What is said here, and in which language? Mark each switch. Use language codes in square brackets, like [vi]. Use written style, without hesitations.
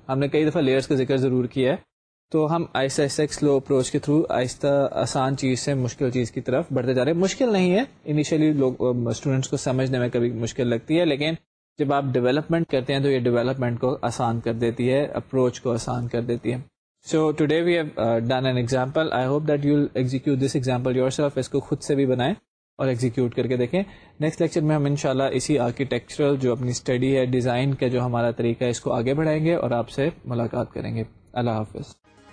[ur] ہم نے کئی دفعہ لیئرز کا ذکر ضرور کیا ہے، تو ہم آہستہ آہستہ ایک سلو اپروچ کے تھرو آہستہ آسان چیز سے مشکل چیز کی طرف بڑھتے جا رہے ہیں. مشکل نہیں ہے، انیشیلی لوگ اسٹوڈینٹس کو سمجھنے میں کبھی مشکل لگتی ہے، لیکن جب آپ ڈیولپمنٹ کرتے ہیں تو یہ ڈیولپمنٹ کو آسان کر دیتی ہے، اپروچ کو آسان کر دیتی ہے. [en] So today we have done an example. I hope that you'll execute this example yourself. [ur] اس کو خود سے بھی بنائیں اور execute کر کے دیکھیں. Next lecture میں ہم انشاءاللہ اسی architectural جو اپنی study ہے design کا جو ہمارا طریقہ ہے اس کو آگے بڑھائیں گے اور آپ سے ملاقات کریں گے. اللہ حافظ.